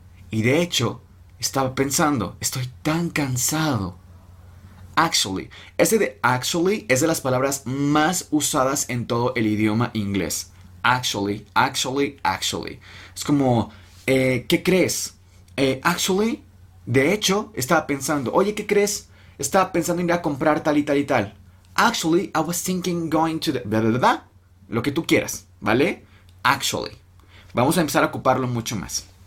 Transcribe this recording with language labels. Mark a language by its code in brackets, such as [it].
[es] Y de hecho, estaba pensando, estoy tan cansado. Actually. Ese de actually es de las palabras más usadas en todo el idioma inglés. [en] Actually, actually, actually. [es] Es como, ¿qué crees? Actually, de hecho, estaba pensando, oye, ¿qué crees? Estaba pensando en ir a comprar tal y tal y tal. [en] Actually, I was thinking going to the... [es] ¿Verdad? Lo que tú quieras, ¿vale? Actually. Vamos a empezar a ocuparlo mucho más.